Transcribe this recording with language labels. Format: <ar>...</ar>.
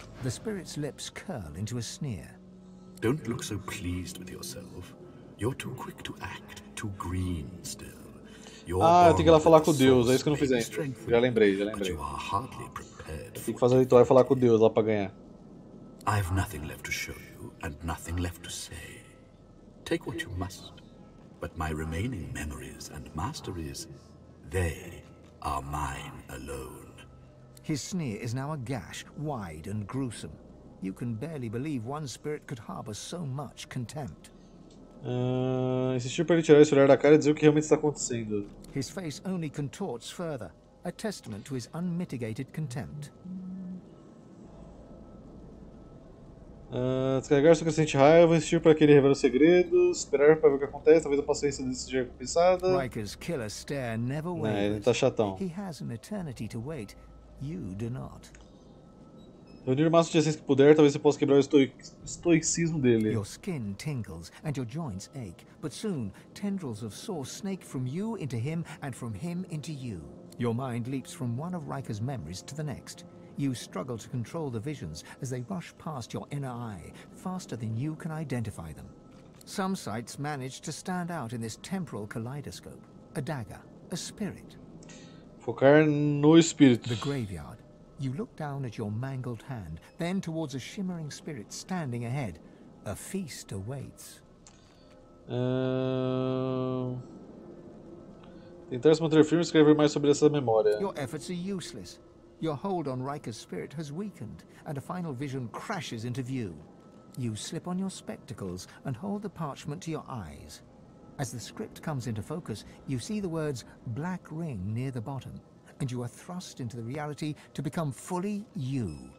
<en>The spirit's lips curl into a sneer. Don't look so pleased with yourself. You're too quick to act, too green still.</en> <pt>Ah, eu tenho que ir lá falar com Deus, é isso que eu não fiz ainda. Já lembrei, já lembrei. Tem que fazer o ritual e falar com Deus lá pra ganhar.</pt> <en>I have nothing left to show you and nothing left to say. Take what you must, but my remaining memories and masteries, they are mine alone. His sneer is now a gash, wide and gruesome. You can barely believe one spirit could harbor so much contempt.</en> <pt>Insistiu para ele tirar esse olhar da cara e dizer o que realmente está acontecendo.</pt> <en>His face only contorts further, a testament to his unmitigated contempt.</en> <pt>Descarregar sua crescente raiva, insistir para que ele revele os segredos, esperar para ver o que acontece, talvez a paciência dele seja recompensada.</pt> <en>Riker's killer stare never wavers.</en> <pt>Ele está chatão.</pt> <en>He has an eternity to wait. You do not.</en> <pt>Reunir o máximo de essência que puder, talvez eu possa quebrar o estoicismo dele.</pt> <en>Your skin tingles and your joints ache, but soon tendrils of sore snake from you into him and from him into you. Your mind leaps from one of Riker's memories to the next. You struggle to control the visions as they rush past your inner eye, faster than you can identify them. Some sights manage to stand out in this temporal kaleidoscope. A dagger, a spirit.</en> <pt>Focar no espírito.</pt> <en>The graveyard. You look down at your mangled hand, then towards a shimmering spirit standing ahead. A feast awaits.</en> <pt>Tentar se manter firme e escrever mais sobre essa memória.</pt> <en>Your efforts are useless. Your hold on Riker's spirit has weakened, and a final vision crashes into view. You slip on your spectacles and hold the parchment to your eyes. As the script comes into focus, you see the words Black Ring near the bottom, and you are thrust into the reality to become fully you.</en>